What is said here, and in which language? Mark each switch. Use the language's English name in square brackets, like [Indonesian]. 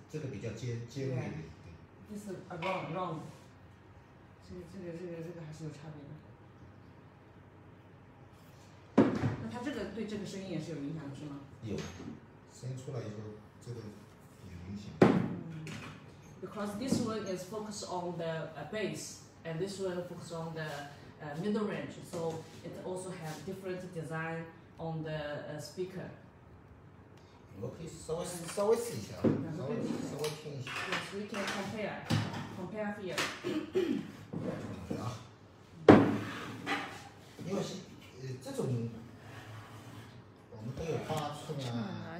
[Chinese] 这个比较尖尖锐一点。 This is a round。这个还是有差别的。那它这个对这个声音也是有影响的，是吗？有，声音出来以后，这个有影响。 [English] Because this one is focused on the bass, and this one focused on the middle range, so it also has different design on the speaker. [Chinese] 我可以稍微试一下，稍微听一下。 [English] Yes, we can compare here. [Chinese] 啊，因为这种我们都有八寸啊，